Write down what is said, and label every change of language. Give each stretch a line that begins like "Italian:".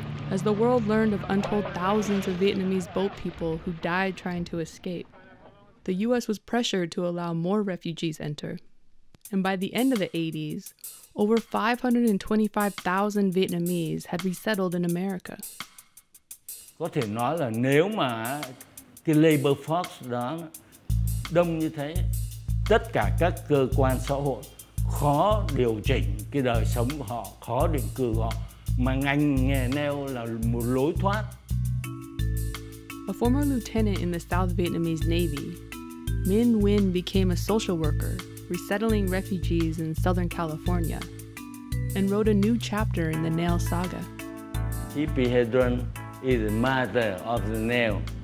English: As the world learned of untold thousands of Vietnamese boat people who died trying to escape, the U.S. was pressured to allow more refugees enter. And by the end of the 80s, over 525,000 Vietnamese had resettled in America.
Vietnamese: Có thể nói là nếu mà cái labor force đó đông như thế, tất cả các cơ quan xã hội khó điều chỉnh cái đời sống của họ, khó định cư họ, mà ngành nghề neo là một lối thoát.
English: A former lieutenant in the South Vietnamese Navy, Minh Nguyen became a social worker resettling refugees in Southern California and wrote a new chapter in the Nail Saga. Hippie Hedron is the mother of the nail.